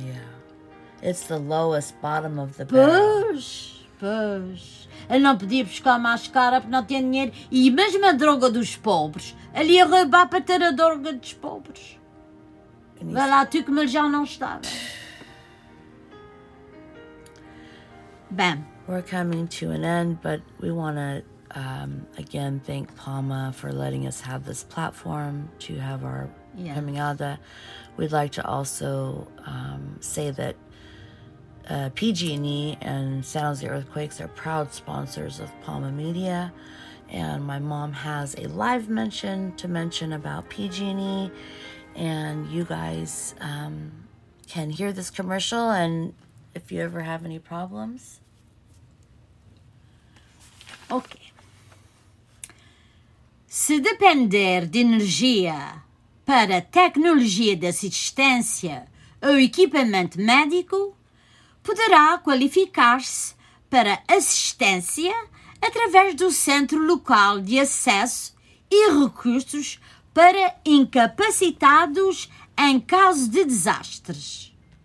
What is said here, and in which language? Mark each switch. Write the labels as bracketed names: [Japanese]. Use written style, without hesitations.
[English] Yeah. It's the lowest bottom of the [Portuguese] pois, barrel. Pois. Ele não podia buscar mais cara porque não tinha dinheiro. E mesmo a droga dos pobres. Ele ia roubar para ter a droga dos pobres. Vai lá tu como ele já não estava. Bem. [English] We're coming to an end, but we want to again thank Palma for letting us have this platform to have our yes. [Portuguese] caminada. [English] We'd like to also say that PG&E and San Jose Earthquakes are proud sponsors of Palma Media, and my mom has a live mention to mention about PG&E, and you guys can hear this commercial, and if you ever have any problems. Ok. [Portuguese] Se depender de energia para tecnologia de assistência ou equipamento médico, poderá qualificar-se para assistência através do Centro Local de Acesso e Recursos para Incapacitados em Caso de Desastres.